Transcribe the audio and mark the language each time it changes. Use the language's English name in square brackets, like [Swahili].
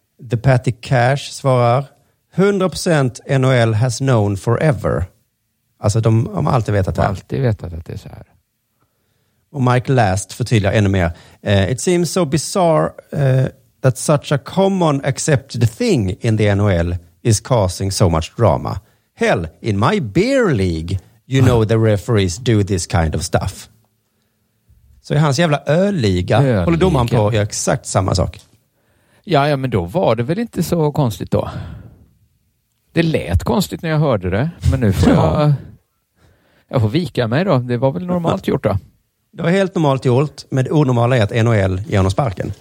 [English] The Patty Cash [Swedish] svarar [English] 100% NHL has known forever. [Swedish] Alltså de har alltid vetat det. Alltid vetat att det är så här. Och Mike Last förtydligar ännu mer. [English] It seems so bizarre... that such a common accepted thing in the NHL is causing so much drama. Hell, in my beer league, you know the referees do this kind of stuff. [Swedish] Så i hans jävla ölliga håller domaren på att göra exakt samma sak. Ja, ja, men då var det väl inte så konstigt då. Det lät konstigt när jag hörde det, men nu får jag... Jag får vika mig då. Det var väl normalt gjort då? Det var helt normalt gjort, men det onormala är att NHL genom sparken.